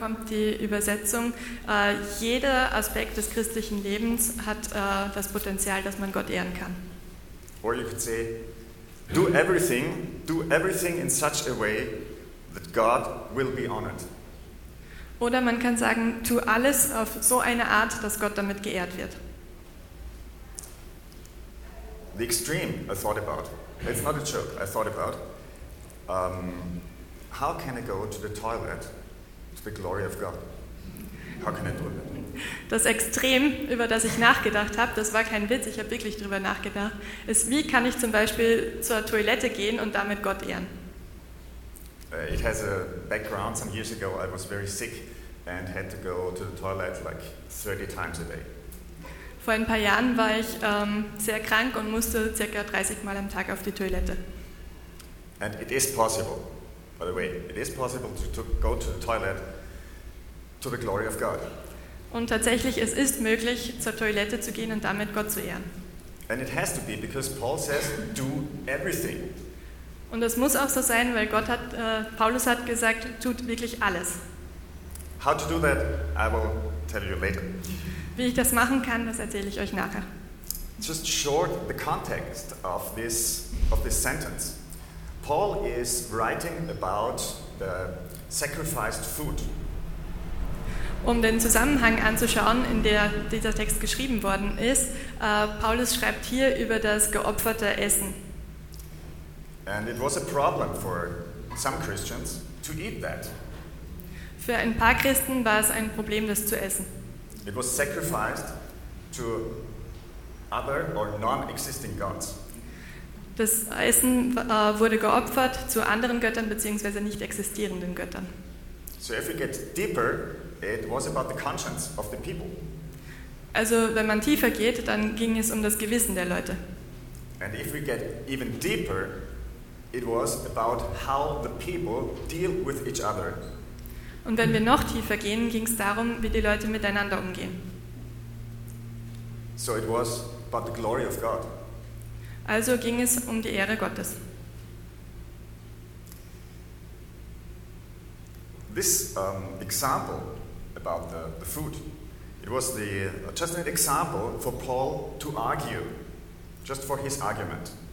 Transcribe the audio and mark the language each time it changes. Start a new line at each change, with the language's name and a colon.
German: Die Übersetzung, jeder Aspekt des christlichen Lebens hat das Potenzial, dass man Gott ehren kann.
English: Or you could say, Do everything in such a way that God will be honored.
German: Oder man kann sagen, tu alles auf so eine Art, dass Gott damit geehrt wird.
English: The extreme I thought about. It's not a joke. I thought about how can I go to the toilet to the glory of God? How can I do that?
German: Das Extrem, über das ich nachgedacht habe, das war kein Witz, ich habe wirklich darüber nachgedacht, ist, wie kann ich zum Beispiel zur Toilette gehen und damit Gott ehren?
English: It has a background. Some years ago I was very sick and had to go to the toilet like 30 times a day.
German: Vor ein paar Jahren war ich sehr krank und musste ca. 30 Mal am Tag auf die Toilette.
English: And it is possible, by the way, it is possible to go to the toilet to the glory of God.
German: Und tatsächlich, es ist möglich, zur Toilette zu gehen und damit Gott zu ehren.
English: And it has to be, because Paul says, do everything.
German: Und es muss auch so sein, weil Gott hat, Paulus hat gesagt, tut wirklich alles.
English: How to do that, I will tell you later.
German: Wie ich das machen kann, das erzähle ich euch nachher.
English: Just short the context of this sentence. Paul is writing about the sacrificed food.
German: Um den Zusammenhang anzuschauen, in der dieser Text geschrieben worden ist, Paulus schreibt hier über das geopferte Essen.
English: And it was a problem for some Christians to eat that.
German: Für ein paar Christen war es ein Problem, das zu essen.
English: It was sacrificed to other or non-existing gods.
German: Das Essen wurde geopfert zu anderen Göttern bzw. nicht existierenden Göttern.
English: So if we get deeper, it was about the conscience of the people.
German: Also, wenn man tiefer geht, dann ging es um das Gewissen der Leute.
English: And if we get even deeper, it was about how the people deal with each other.
German: Und wenn wir noch tiefer gehen, ging es darum, wie die Leute miteinander umgehen.
English: So it was about the glory of God.
German: Also ging es um die Ehre Gottes.
English: This example about the food, it was just an example for Paul to argue, just for his argument.